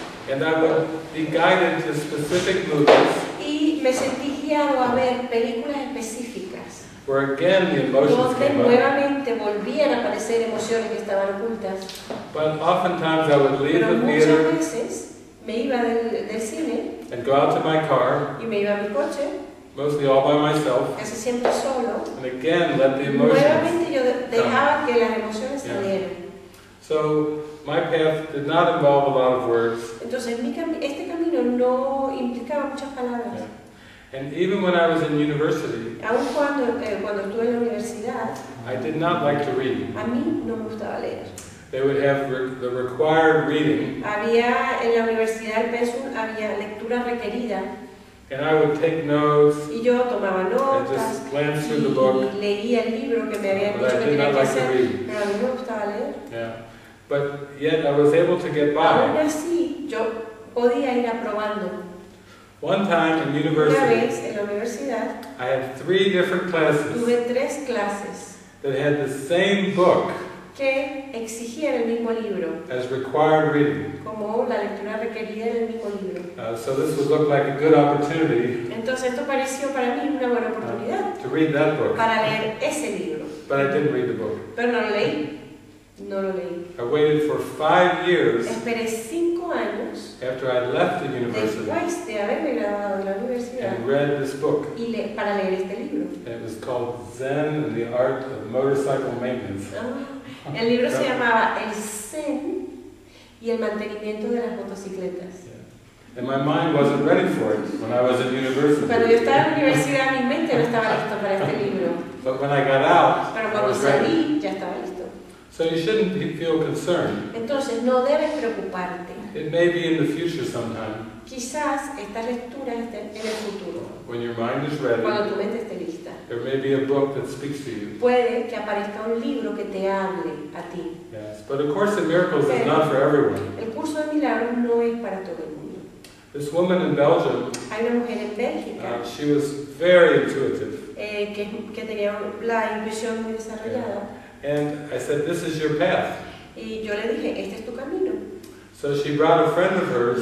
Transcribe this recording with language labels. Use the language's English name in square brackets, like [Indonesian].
[English] And I would be guided to specific movies. [Spanish] Y me sentí guiado a ver películas específicas. [English] Where again the emotions came up. [Spanish] Nuevamente volvían a aparecer emociones que estaban ocultas. [English] But oftentimes I would leave [Spanish] Pero [English] the [Spanish] muchas [English] theater [Spanish] veces me iba del cine [English] and go out to my car, [Spanish] y me iba a mi coche, [English] mostly all by myself, [Spanish] casi siempre solo, [English] and again let the emotions [Spanish] Nuevamente yo dejaba [English] come. [Spanish] Que las emociones yeah. salieran. [English] So my path did not involve a lot of words. [Spanish] Entonces este camino no implicaba muchas palabras. Yeah. [English] And even when I was in university, [Spanish] aun cuando estuve en la universidad, [English] I did not like to read. [Spanish] A mí no me gustaba leer. [English] They would have the required reading. [Spanish] Había en la universidad el pensum, había lectura requerida. [English] And I would take notes. [Spanish] Y yo tomaba notas. [English] And just glance through the book. [Spanish] Y leía el libro que me habían dicho que tenía que hacer. Pero a mí no me gustaba leer. [English] Yeah. But yet I was able to get by. [Spanish] Aún así, yo podía ir aprobando. [English] One time in university, [Spanish] una vez, en la universidad, [English] I had three different classes [Spanish] tres clases [English] that had the same book [Spanish] que exigiera el mismo libro. [English] As required reading. [Spanish] Como la lectura requerida del mismo libro. [English] So this would look like a good opportunity. [Spanish] Entonces esto pareció para mí una buena oportunidad. [English] To read that book. [Spanish] Para leer ese libro. [English] But I didn't read the book. [Spanish] Pero no lo leí. No lo leí. [English] I waited for 5 years. [Spanish] Esperé 5 años. [English] After I left the university. [Spanish] Después de haberme graduado de la universidad. [English] And read this book. [Spanish] Y para leer este libro. [English] It was called Zen and the Art of Motorcycle Maintenance. [Spanish] El libro se llamaba El Zen y el mantenimiento de las motocicletas. [English] Yeah. And my mind wasn't ready for it when I was at university. [Spanish] Cuando yo estaba en la universidad, mi mente no estaba listo para este libro. [English] But when I got out, [Spanish] pero cuando salí, ya estaba listo. [English] So you shouldn't feel concerned. [Spanish] Entonces, no debes preocuparte. [English] It may be in the future sometime. [Spanish] Quizás esta lectura esté en el futuro. [English] When your mind is ready. [Spanish] Cuando tu mente esté lista. [English] There may be a book that speaks to you. [Spanish] Puede que aparezca un libro que te hable a ti. [English] Yes, but A Course in Miracles is not for everyone. [Spanish] El curso de milagros no es para todo el mundo. [English] This woman in Belgium. [Spanish] Hay una mujer en Bélgica. [English] She was very intuitive. [Spanish] Que tenía la intuición muy desarrollada. Yeah. [English] And I said, "This is your path." [Spanish] Y yo le dije, este es tu camino. [English] So she brought a friend of hers.